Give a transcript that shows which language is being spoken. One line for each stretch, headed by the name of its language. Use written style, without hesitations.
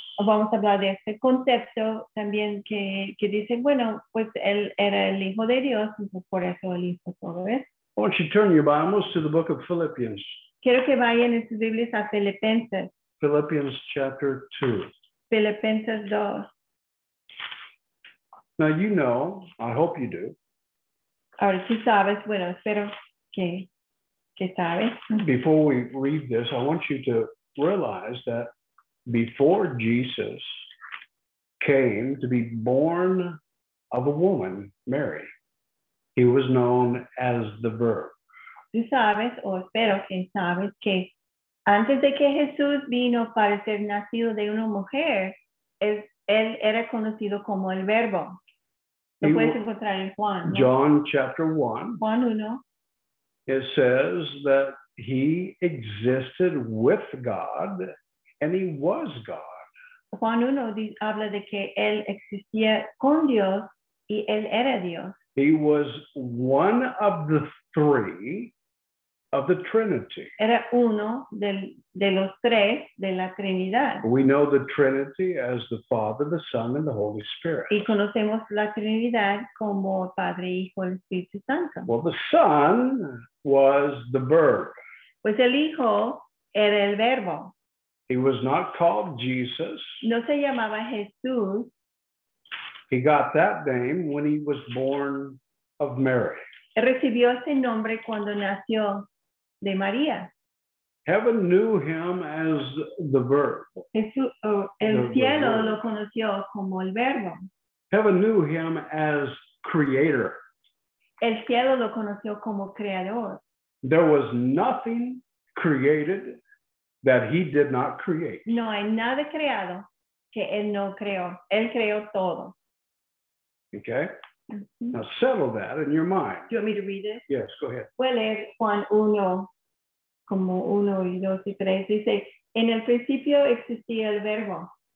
Spanish: Vamos a hablar de este concepto también que dice, bueno, pues él era el Hijo de Dios, y por eso él hizo todo eso.
English: I want you to turn your Bibles to the book of Philippians.
Spanish: Quiero que vayan en sus Biblias a Filipenses.
English: Philippians chapter 2.
Spanish: Filipenses 2.
English: Now you know, I hope you do.
Spanish: Ahora sí sabes, bueno, espero que sabes.
English: Before we read this, I want you to realize that before Jesus came to be born of a woman, Mary, he was known as the Verb.
Spanish: Tú sabes, o espero que sabes, que antes de que Jesús vino para ser nacido de una mujer, él era conocido como el Verbo. Lo puedes encontrar en Juan, ¿no?
English: John chapter 1.
Spanish: Juan 1.
English: It says that he existed with God, and he was God.
Spanish: Juan 1 habla de que él existía con Dios y él era Dios.
English: He was one of the three of the Trinity.
Spanish: Era uno de los tres de la Trinidad.
English: We know the Trinity as the Father, the Son, and the Holy Spirit.
Spanish: Y conocemos la Trinidad como Padre, Hijo, y Espíritu Santo.
English: Well, the Son was the Verb.
Spanish: Pues el Hijo era el Verbo.
English: He was not called Jesus.
Spanish: No se llamaba Jesús.
English: He got that name when he was born of Mary.
Spanish: Recibió ese nombre cuando nació de María.
English: Heaven knew him as the Verb.
Spanish: El cielo lo conoció como el Verbo.
English: Heaven knew him as creator.
Spanish: El cielo lo conoció como creador.
English: There was nothing created that he did not create.
Spanish: No hay nada creado que él no creó. Él creó todo.
English: Okay. Mm-hmm. Now settle that in your mind. Do you want me to read it? Yes, go ahead.
Spanish: Voy a leer Juan 1, como 1 y 2 y 3. Dice, en el principio existía el Verbo.